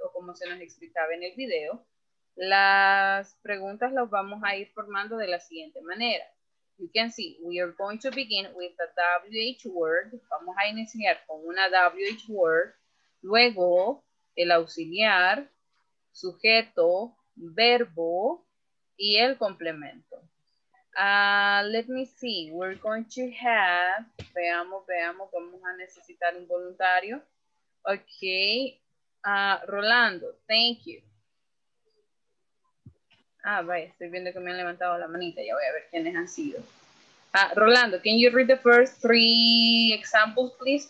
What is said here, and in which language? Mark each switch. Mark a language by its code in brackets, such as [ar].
[es] O como se nos explicaba en el video, las preguntas las vamos a ir formando de la siguiente manera. [en] You can see, we are going to begin with a WH word. [es] Vamos a iniciar con una WH word. Luego, el auxiliar, sujeto, verbo, y el complemento. [en] Let me see, we're going to have, [es] veamos, vamos a necesitar un voluntario. [en] Okay, Rolando, thank you. [es] Ah, vaya, estoy viendo que me han levantado la manita, ya voy a ver quiénes han sido. [en] Rolando, can you read the first three examples, please?